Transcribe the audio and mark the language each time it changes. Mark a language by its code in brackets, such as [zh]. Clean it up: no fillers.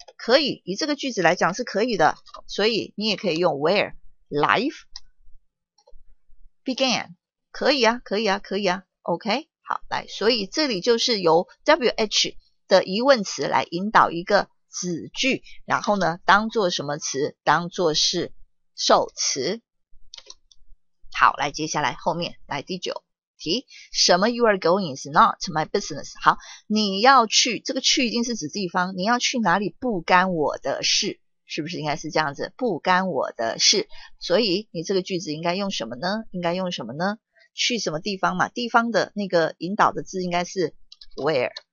[zh] 可以，以这个句子来讲是可以的，所以你也可以用 [en] where life began， [zh] 可以啊 ，OK， 好，来，所以这里就是由 wh 的疑问词来引导一个子句，然后呢，当作什么词？当作是受词。好，来，接下来后面，来第九题，什么 ？ [en] You are going is not my business。 [zh] 好，你要去，这个去一定是指地方，你要去哪里不干我的事，是不是应该是这样子？不干我的事，所以你这个句子应该用什么呢？应该用什么呢？去什么地方嘛？地方的那个引导的字应该是 where。